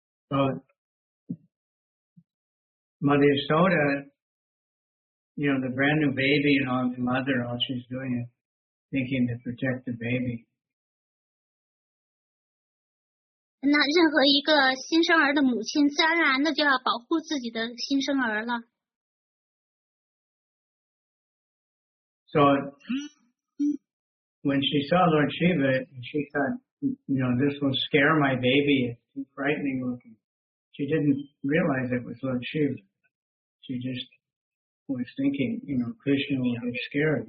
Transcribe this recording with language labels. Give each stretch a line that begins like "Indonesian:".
English: So, Mother Yashoda, you know, the brand new baby and all the mother, all she's doing is thinking to protect the baby.
Chinese: 那任何一个新生儿的母亲自然而然的就要保护自己的新生儿了。
English: So, when she saw Lord Shiva, she thought, you know, this will scare my baby. It's too frightening looking. She didn't realize it was Lord Shiva. She just was thinking, you know, Krishna will be scared.